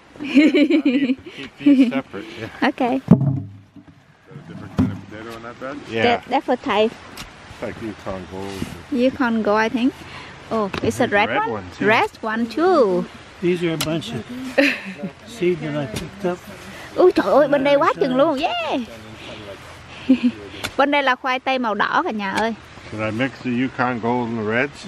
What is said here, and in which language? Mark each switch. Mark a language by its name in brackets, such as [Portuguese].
[English] keep these separate. Yeah. Okay. Is that a different kind of potato in that bed? Yeah. That's for Thai. It's like Yukon Gold. Yukon Gold, I think. Oh, it's a red one? One too. Red one too. These are a bunch of seeds that I picked up. [Vietnamese] Ui trời ơi, bên đây quá chừng luôn. Yeah. Bên đây là khoai tây màu đỏ cả nhà ơi. [English] Can I mix the Yukon Gold and the reds?